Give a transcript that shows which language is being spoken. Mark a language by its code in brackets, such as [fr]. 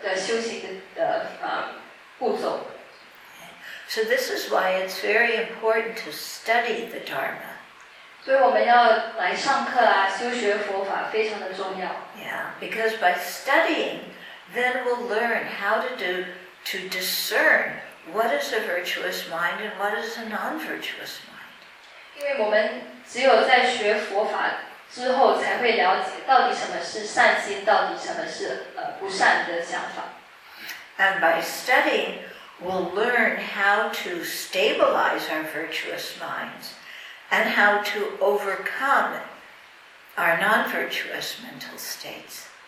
[zh] 怎么跟其他人相处，我们的心态，我们的动机，都是关键的修行的步骤。 [en] So this is why it's very important to study the Dharma. [zh] 所以我们要来上课啊，修学佛法非常的重要。 [en] Yeah, because by studying, then we'll learn how to discern what is a virtuous mind and what is a non-virtuous mind. [zh] 因为我们只有在学佛法之后，才会了解到底什么是善心，到底什么是不善的想法。And [en] by studying, we'll learn how to stabilize our virtuous minds, and how to overcome our non-virtuous mental states.